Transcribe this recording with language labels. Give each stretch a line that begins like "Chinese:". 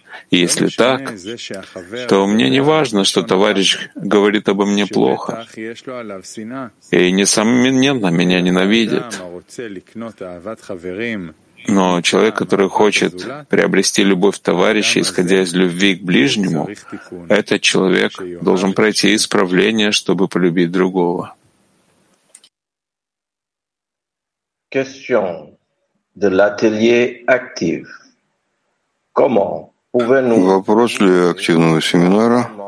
Russian: Если так, то мне не важно, что товарищ говорит обо мне плохо, и несомненно меня ненавидит. Но человек, который хочет приобрести любовь товарища, исходя из любви к ближнему, этот человек должен пройти исправление, чтобы полюбить другого.
French: Question de l'atelier actif. Comment?
Russian: Вопрос для активного семинара.